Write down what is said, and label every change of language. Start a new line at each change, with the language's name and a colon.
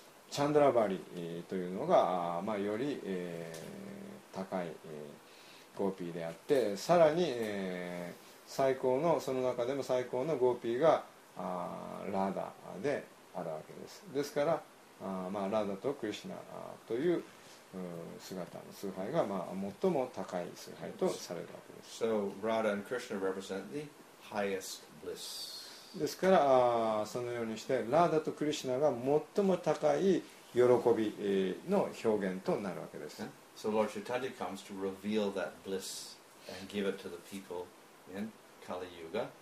Japanese: チャンドラバリというのが、まあ、より、高い、ゴーピーであって、さらに、最高のその中でも最高のゴーピーがラダで、あるわけです。ですから、まあ、ラダとクリシナという姿の崇拝が、まあ、最も高い崇拝とされるわけです。
English: So, Radha and Krishna represent the highest bliss.
Japanese: ですから、そのようにしてラダとクリシナが最も高い喜びの表現となるわけです。
English: So, Lord Chaitanya comes to reveal that bliss and give it to the people in Kali Yuga.